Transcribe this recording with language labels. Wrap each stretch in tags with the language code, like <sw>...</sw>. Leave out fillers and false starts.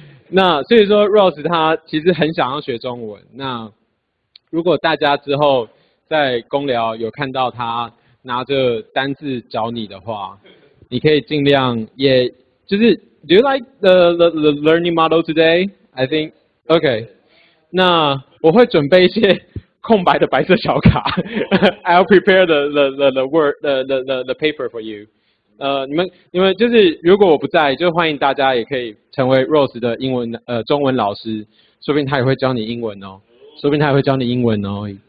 <zh>那所以说 Rose 他其实很想要学中文，那如果大家之后在公聊有看到他拿着单字找你的话，你可以尽量也就是。</zh> <en>Do you like the learning model today? I think okay.</en> <zh>那我会准备一些空白的白色小卡。</zh> <en>I'll prepare the paper for you.</en> <zh>你们就是如果我不在，就欢迎大家也可以成为 Rose 的英文中文老师，说不定他也会教你英文哦，说不定他也会教你英文哦。</zh>